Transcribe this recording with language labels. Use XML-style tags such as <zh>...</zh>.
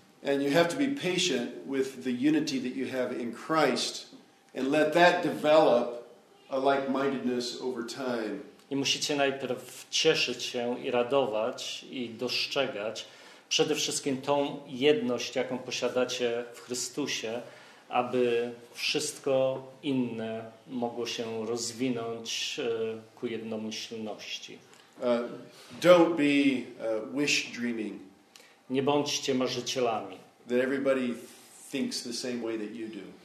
<en>And you have to be patient with the unity that you have in Christ and let that develop a like-mindedness over time.</en> <pl>I musicie najpierw cieszyć się i radować i dostrzegać przede wszystkim tą jedność, jaką posiadacie w Chrystusie, aby wszystko inne mogło się rozwinąć ku jednomyślności.</pl> <en>Don't be wish dreaming.</en> <pl>Nie bądźcie marzycielami.</pl> <en>That everybody thinks the same way that you do.</en>